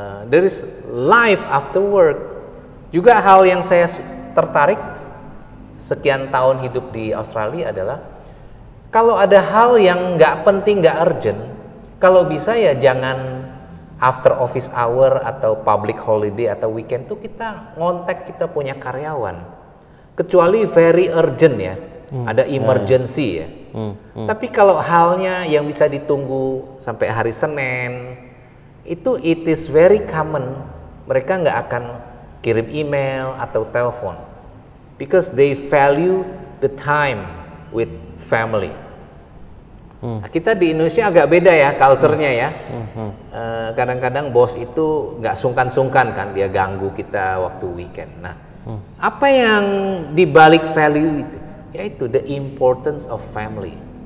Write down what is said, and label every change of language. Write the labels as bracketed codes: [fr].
[en] There is life after work. [id] Juga hal yang saya tertarik sekian tahun hidup di Australia adalah kalau ada hal yang nggak penting, nggak urgent, kalau bisa ya jangan after office hour atau public holiday atau weekend tuh kita ngontak kita punya karyawan. Kecuali [en] very urgent [id] ya, ada emergency ya. Tapi kalau halnya yang bisa ditunggu sampai hari Senin, itu [en] it is very common [id] mereka nggak akan kirim email atau telepon. [en] Because they value the time with family. [id] Nah, kita di Indonesia agak beda ya culture-nya ya. Kadang-kadang bos itu nggak sungkan-sungkan kan dia ganggu kita waktu weekend. Nah, apa yang dibalik value itu? Yaitu [en] the importance of family.